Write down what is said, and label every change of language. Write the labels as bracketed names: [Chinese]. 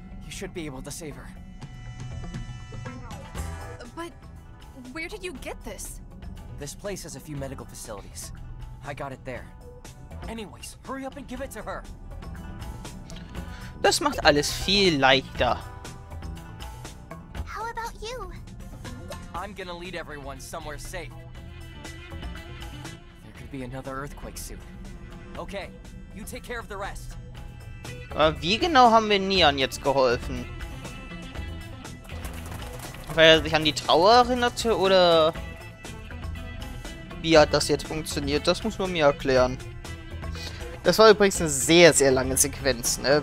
[English] You should be able to save her. But where did you get this? This place has a few medical facilities. I got it there. Anyways, hurry up and give it to her. [German] Das macht alles viel leichter. [English] How about you? I'm gonna lead everyone somewhere safe. There could be another earthquake soon. Okay, you take care of the rest. [German] Aber wie genau haben wir Nian jetzt geholfen? Weil er sich an die Trauer erinnerte oder wie hat das jetzt funktioniert? Das muss man mir erklären. Das war übrigens eine sehr, sehr lange Sequenz, ne?